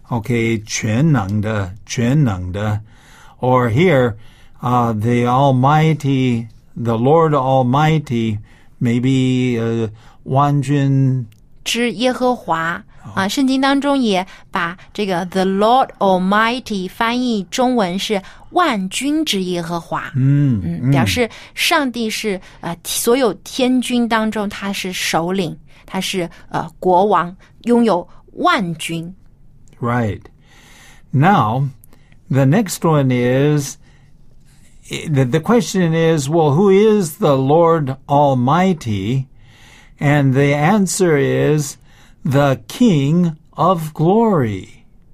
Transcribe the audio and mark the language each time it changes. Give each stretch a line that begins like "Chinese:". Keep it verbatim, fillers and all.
Chinese: Okay, 全能的, 全能的.
English: Or here, uh, the Almighty, the Lord Almighty, maybe uh, 万军
Chinese: 之耶和华啊，圣经当中也把这个 The Lord Almighty 翻译中文是万军之耶和华，嗯嗯，表示上帝是呃所有天军当中他是首领，他是呃国王，拥有万军。
English: Right. Now, the next one is the the question is, well, who is the Lord Almighty? And the answer is the King of Glory.